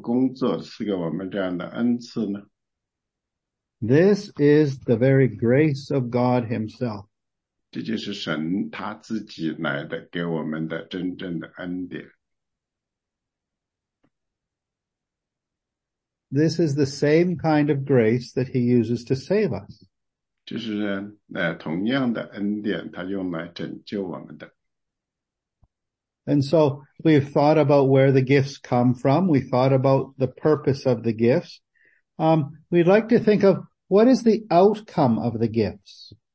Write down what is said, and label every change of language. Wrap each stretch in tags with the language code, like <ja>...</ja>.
<zh>因为我们怎么样可以去教，怎么能去教啊？如果是神赐给我们力量，赐给我们工作，赐给我们这样的恩赐呢？</zh> <en>This is the very grace of God himself.</en> <zh>这就是神他自己来的，给我们的真正的恩典。</zh> <en>This is the same kind of grace that he uses to save us.</en> <zh>就是同样的恩典，他用来拯救我们的。</zh> <en>And so we've thought about where the gifts come from. We thought about the purpose of the gifts. We'd like to think of what is the outcome of the gifts?</en>